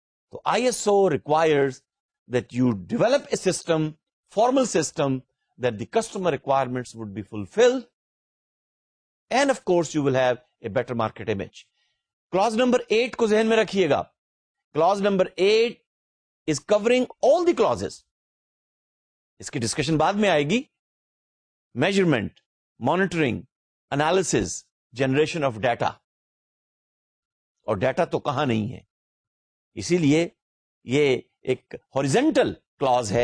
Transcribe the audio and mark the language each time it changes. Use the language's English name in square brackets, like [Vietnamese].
[English] تو I S O requires that you develop a system, formal system, that the customer requirements would be fulfil, and of course you will have a better market image. [Urdu] Claus number 8 کو ذہن میں رکھیے گا. [English] Clause number 8 is covering all the clauses. [Urdu] اس کی discussion بعد میں آئے گی. [English] Measurement, monitoring, analysis, generation of data. [Urdu] اور ڈیٹا تو کہاں نہیں ہے, اسی لیے یہ ایک ہوریزنٹل کلاز ہے.